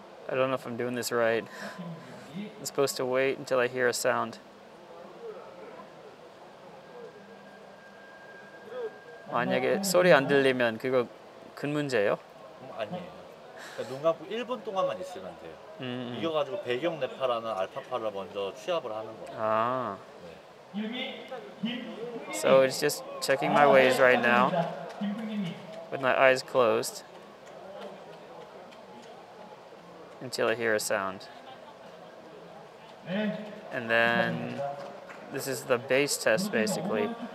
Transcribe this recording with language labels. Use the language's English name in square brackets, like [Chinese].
[English] I don't know if I'm doing this right. I'm supposed to wait until I hear a sound. [Korean] Oh, 만약에 소리 안 들리면 그거 큰 문제예요? 아니에요. 그러니까 눈 감고 1분 동안만 있으면 돼요. 이겨가지고 배경 뇌파라는 알파파를 먼저 취합을 하는 거예요. 아. [English] So it's just checking my ways right now with my eyes closed until I hear a sound. And then this is the base test basically.